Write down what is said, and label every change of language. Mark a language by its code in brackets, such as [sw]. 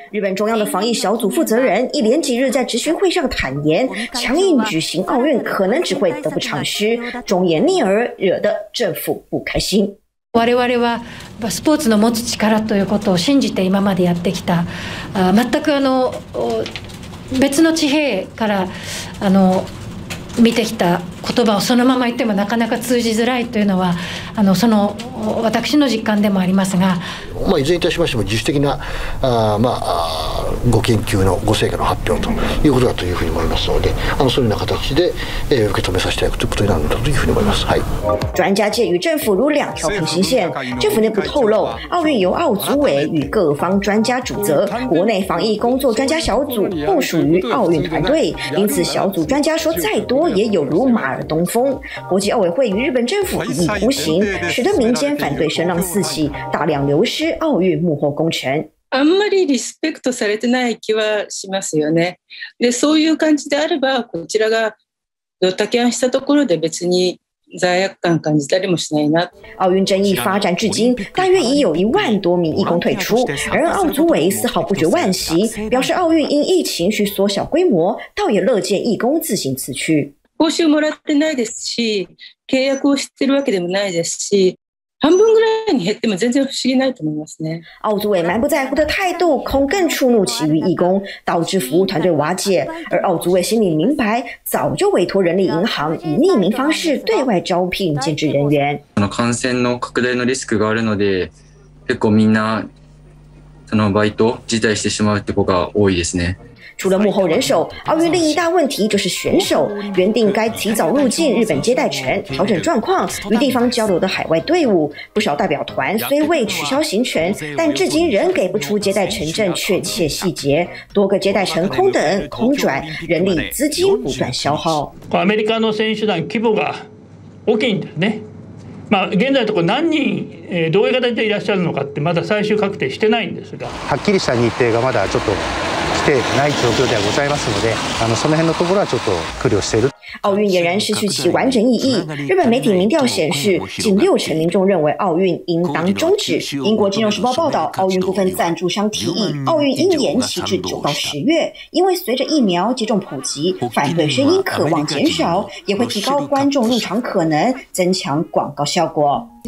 [zh] 日本中央的防疫小组负责人一连几日在执行会上坦言，强硬举行奥运可能只会得不偿失，忠言逆耳，惹得政府不开心。 [ja] 我々はスポーツの持つ力ということを信じて今までやってきた。全く別の地平から見てきた言葉をそのまま言ってもなかなか通じづらいというのは、その私の実感でもありますが、まあ、いずれにいたしましても自主的なご研究のご成果の発表ということだというふうに思いますので、そのような形で、受け止めさせていただくということになるんだというふうに思います。はい、 [zh] 专家介于政府如两条平行线，政府内部透露奥运由奥组委与各方专家主责，国内防疫工作专家小组不属于奥运团队，因此小组专家说再多也有如马耳东风。国际奥委会与日本政府一意孤行，使得民间反对声浪四起，大量流失奥运幕后功臣。 [ja] あんまりリスペクトされてない気はしますよね。で、そういう感じであればこちらがドタキャンしたところで別に罪悪感感じたりもしないな。 [zh] 奥运争议发展至今，大约已有10,000多名义工退出，而奥组委丝毫不觉惋惜，表示奥运因疫情需缩小规模，倒也乐见义工自行辞去。 [ja] 報酬もらってないですし、契約をしてるわけでもないですし。半分ぐらいに減っても全然不思議ないと思いますね。 [zh] 奥组委蛮不在乎的态度，恐更触怒其余义工，导致服务团队瓦解。而奥组委心里明白，早就委托人力银行以匿名方式对外招聘兼职人员。 [ja] 感染の拡大のリスクがあるので、結構みんなそのバイト辞退してしまうって子が多いですね。 [zh] 除了幕后人手，奥运另一大问题就是选手。原定该提早入境日本接待权，调整状况与地方交流的海外队伍，不少代表团虽未取消行程，但至今仍给不出接待权证确切细节。多个接待权空等、空转，人力资金不断消耗。 [ja] アメリカの選手団規模が大きいんだね。まあ、現在のところ何人、どういう形でいらっしゃるのかってまだ最終確定してないんですが、はっきりした日程がまだちょっと。ない状況ではございますので、その辺のところはちょっと苦慮している。 [zh] 奥运俨然失去其完整意义。日本媒体民调显示，近60%民众认为奥运应当终止。英国金融时报报道，奥运部分赞助商提议奥运应延期至9到10月，因为随着疫苗接种普及，反对声音渴望减少，也会提高观众入场可能，增强广告效果。